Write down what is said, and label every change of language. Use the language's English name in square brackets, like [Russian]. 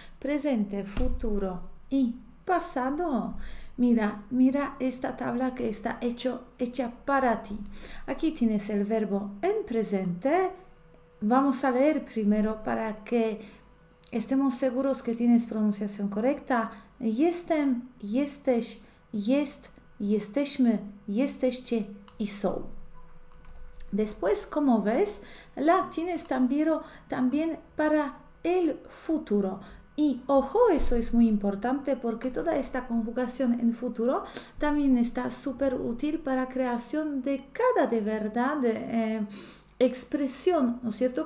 [Spanish] Presente, futuro y pasado. Mira, mira esta tabla que está hecha para ti. Aquí tienes el verbo en presente. Vamos a leer primero para que estemos seguros que tienes pronunciación correcta. [Polish] Jestem, jesteś, jest, jesteśmy, jesteście y są. [Spanish] Después, como ves, la tienes también para el futuro. Y ojo, eso es muy importante porque toda esta conjugación en futuro también está súper útil para creación de cada de verdad expresión, ¿no es cierto?